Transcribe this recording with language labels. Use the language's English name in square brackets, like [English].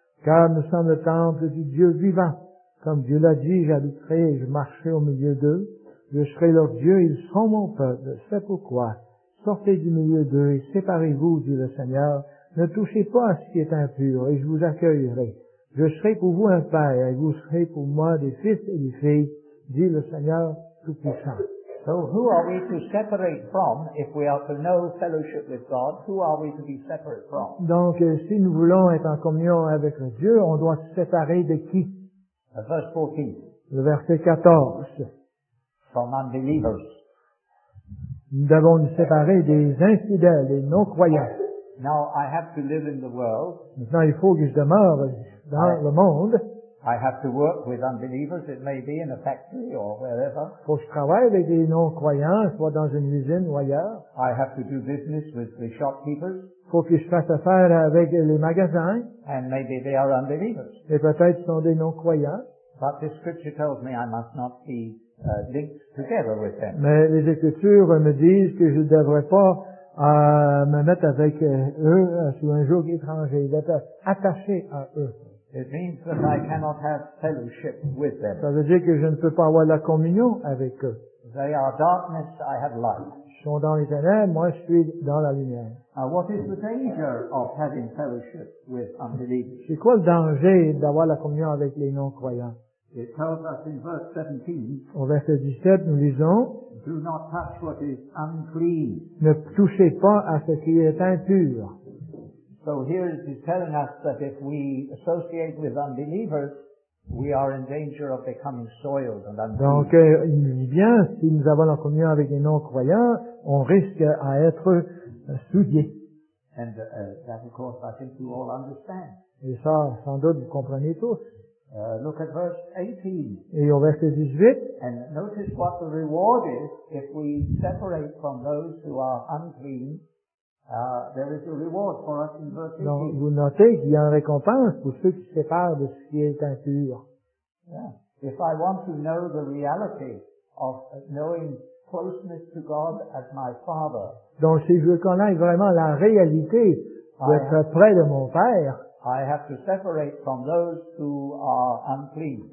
[French] Car nous sommes le temple du Dieu vivant. Comme Dieu l'a dit, j'habiterai et je marcherai au milieu d'eux. Je serai leur Dieu, ils seront mon peuple. C'est pourquoi sortez du milieu d'eux et séparez-vous, dit le Seigneur. Ne touchez pas à ce qui est impur et je vous accueillerai. Je serai pour vous un père et vous serez pour moi des fils et des filles, dit le Seigneur Tout-Puissant. [English] So who are we to separate from if we are to know fellowship with God? Who are we to be separate from? [French] Donc, si nous voulons être en communion avec Dieu, on doit se séparer de qui? [English] Verse 14. [French] Le verset 14. [English] From unbelievers. [French] Nous devons nous séparer des infidèles, des non-croyants. [English] Now I have to live in the world. [French] Maintenant, il faut que je demeure dans le monde. [English] I have to work with unbelievers, it may be in a factory or wherever. [French] Faut que je travaille avec des non-croyants, soit dans une usine ou ailleurs. [English] I have to do business with the shopkeepers. [French] Faut que je fasse affaire avec les magasins. [English] And maybe they are unbelievers. [French] Et peut-être sont des non-croyants. [English] But the scripture tells me I must not be linked together with them. [French] Mais les écritures me disent que je ne devrais pas me mettre avec eux sous un joug étranger, d'être attaché à eux. [English] It means that I cannot have fellowship with them. [French] Ça veut dire que je ne peux pas avoir la communion avec eux. [English] They are darkness, I have light. [French] Ils sont dans les ténèbres, moi je suis dans la lumière. [English] Now what is the danger of having fellowship with unbelievers? [French] C'est quoi le danger d'avoir la communion avec les non-croyants? [English] It tells us in verse 17. [French] Au verset 17, nous lisons. [English] Do not touch what is unclean. [French] Ne touchez pas à ce qui est impur. [English] So here it is telling us that if we associate with unbelievers, we are in danger of becoming soiled and unclean. [French] Donc, il dit bien, si nous avons la communion avec les non-croyants, on risque à être souillés. [English] And that, of course, I think you all understand. [French] Et ça, sans doute, vous comprenez tous. [English] Look at verse 18. [French] Et au verset 18. [English] And notice what the reward is if we separate from those who are unclean. There is a reward for us in verse 18. [French] Donc, vous notez qu'il y a une récompense pour ceux qui se séparent de ce qui est impur. [English] Yeah. If I want to know the reality of knowing closeness to God as my Father. [French] Donc, si je veux connaître vraiment la réalité d'être près de mon Père. [English] I have to separate from those who are unclean.